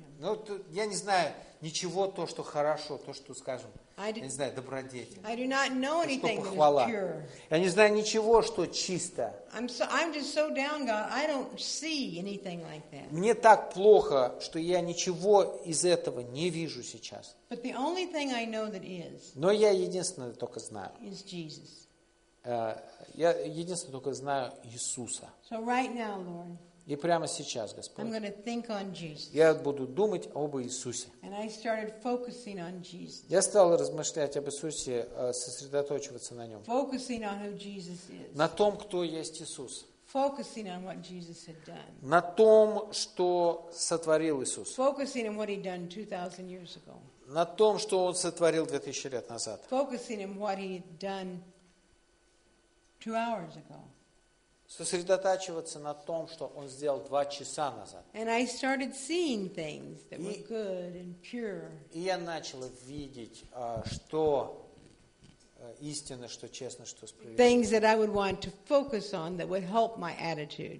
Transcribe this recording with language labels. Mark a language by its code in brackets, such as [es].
[ru] Ну, я не знаю ничего то, что хорошо, то, что скажем. Я не знаю, добродетель. [en] I do not know anything that is pure. [ru] Я не знаю ничего, что чисто. [en] I'm just so down, God. I don't see anything like that. [ru] Мне так плохо, что я ничего из этого не вижу сейчас. [en] But the only thing I know that is. [ru] Но я единственное только знаю. [en] Is Jesus. [ru] Я единственное только знаю Иисуса. [en] So right now, Lord. [ru] И прямо сейчас, Господь, [en] I'm going to think on Jesus. [ru] Я буду думать об Иисусе. [en] And I started focusing on Jesus. [ru] Я стал размышлять об Иисусе, сосредоточиваться на Нем. [en] Focusing on who Jesus is. [ru] На том, кто есть Иисус. [en] Focusing on what Jesus had done. [ru] На том, что сотворил Иисус. [en] Focusing on what he'd done 2,000 years ago. [ru] На том, что Он сотворил 2,000 лет назад. [en] Focusing on what he'd done 2 hours ago. [ru] Сосредотачиваться на том, что он сделал 2 часа назад. [en] And I started seeing things that were good and pure. [ru] И я начал видеть, что истинно, что честно, что справедливо. [en] Things that I would want to focus on that would help my attitude.